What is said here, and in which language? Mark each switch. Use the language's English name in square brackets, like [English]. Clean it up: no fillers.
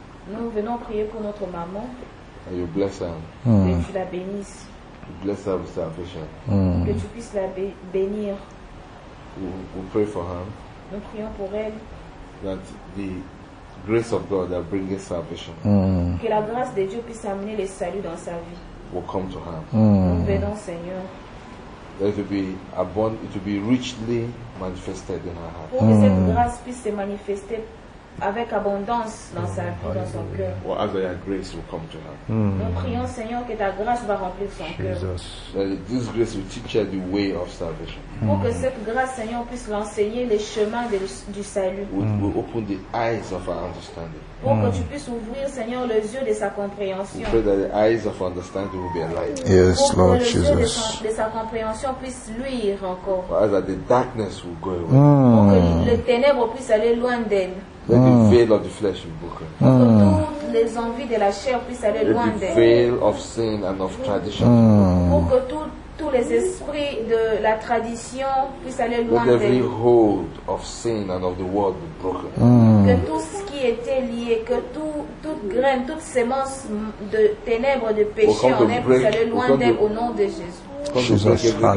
[French] Nous venons prier pour notre maman. [English] And you bless her. [French] Que tu la bénisses. [English] You bless her with salvation. [French] Que tu puisses la bénir. [English] We pray for her. [French] Nous prions pour elle. [English] That the grace of God that brings salvation. [French] Que la grâce de Dieu puisse amener le salut dans sa vie. [English] Will come to her. [French] Venons, Seigneur. [English] There will be abundant, it will be richly manifested in her heart. [French] Pour que cette grâce puisse se manifester avec abondance dans sa vie, dans son cœur. [English] Well, as your grace will come to her. [French] Nous prions, Seigneur, que ta grâce va remplir son cœur. [English] This grace will teach her the way of salvation. [French] Pour que cette grâce, Seigneur, puisse l'enseigner le chemin du salut. [English] Will open the eyes of her understanding. [French] Pour que tu puisses ouvrir, Seigneur, les yeux de sa compréhension. [English] We pray that the eyes of understanding will be enlightened. Yes, Lord Jesus. [French] Pour que les yeux de sa compréhension puissent luire encore. [English] For as the darkness will go away. [French] Pour que les ténèbres puissent aller loin d'elle. [English] Let the veil of the flesh be broken. [French] Pour que toutes les envies de la chair puissent aller loin d'elle. [English] Let the veil of sin and of tradition. [French] Pour que tous les esprits de la tradition puissent aller loin d'elle. [English] Let every hold of sin and of the world be broken. [French] Que tout ce qui était lié, que toute graine, toute semence de ténèbres, de péché en elle, puisse aller loin d'elle au nom de Jésus.